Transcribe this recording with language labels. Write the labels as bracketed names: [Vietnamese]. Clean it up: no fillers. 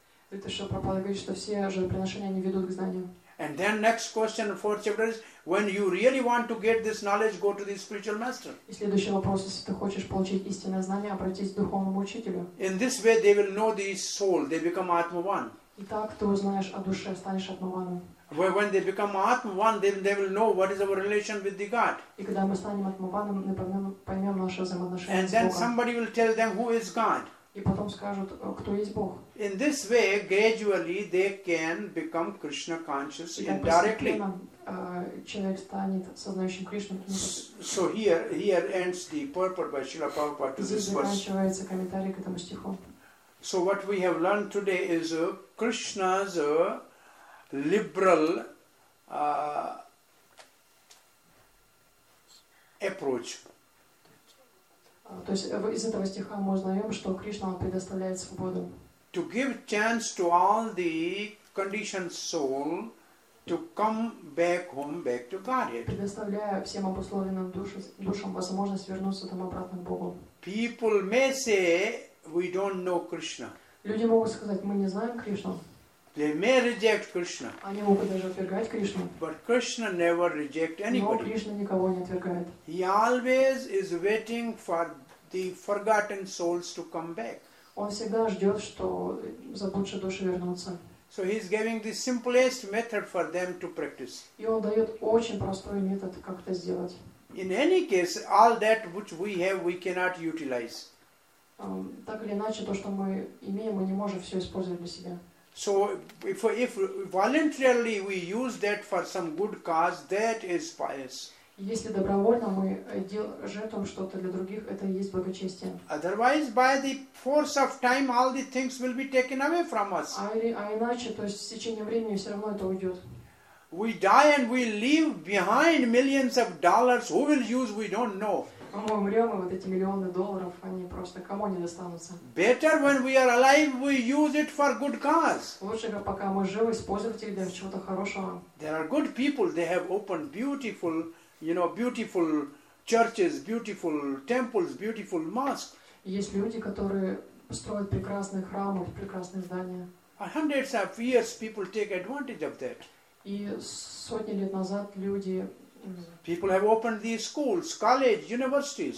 [Russian] Это что Прабхупада говорит, что все жертвоприношения не ведут к знанию. [English] And then next question in fourth chapter is when you really want to get this knowledge, go to the spiritual master. [Russian] И следующий вопрос, если ты хочешь получить истинное знание, обратись к духовному учителю. [English] In this way, they will know the soul; they become Atman. [Russian] И так ты узнаешь о душе, станешь Атманом. [English] When they become Atman, then they will know what is our relation with the God. [Russian] И когда мы станем Атманом, мы поймем наше взаимоотношение с Богом. [English] And then somebody will tell them who is God. [Russian] И потом скажут, кто есть Бог. [English] In this way, gradually they can become Krishna conscious indirectly. [Russian] Человек станет сознающим Кришну. [English] So here ends the purport by Srila Prabhupada to this verse. [Russian] Здесь заканчивается комментарий к этому стиху. [English] So what we have learned today is Krishna's liberal approach. [Russian] То есть из этого стиха мы узнаем, что Кришна предоставляет свободу. [English] To give chance to all the conditioned soul to come back to Godhead. [Russian] Предоставляя всем обусловленным душам возможность вернуться там обратно к Богу. [English] People may say we don't know Krishna. [Russian] Люди могут сказать, мы не знаем Кришну. [English] They may reject Krishna. [Russian] Они могут даже отвергать Кришну. [English] But Krishna never rejects anybody. [Russian] Но Кришна никого не отвергает. [English] He always is waiting for the forgotten souls to come back. [Russian] Он всегда ждет, что забудшие души вернутся. [English] So he is giving the simplest method for them to practice. [Russian] И он дает очень простой метод, как это сделать. [English] In any case, all that which we have, we cannot utilize. [Russian] Так или иначе, то, что мы имеем, мы не можем все использовать для себя. [English] So if voluntarily we use that for some good cause, that is pious. [Russian] Если добровольно мы жертвуем что-то для других, это и есть благочестие. [English] Otherwise, by the force of time, all the things will be taken away from us. [Russian] А иначе, то есть с течением времени все равно это уйдет. [English] We die and we leave behind millions of dollars. Who will use? We don't know. [Russian] Мы умрем, и вот эти миллионы долларов, они просто кому не достанутся. [English] Better when we are alive, we use it for good cause. [Russian] Лучше, пока мы живы, использовать их для чего-то хорошего. [English] There are good people. They have opened beautiful, you know, beautiful churches, beautiful temples, beautiful mosques. [Russian] Есть люди, которые строят прекрасные храмы, прекрасные здания. [English] Hundreds of years, people take advantage of that. [Russian] И сотни лет назад люди. [English] People have opened these schools, college, universities.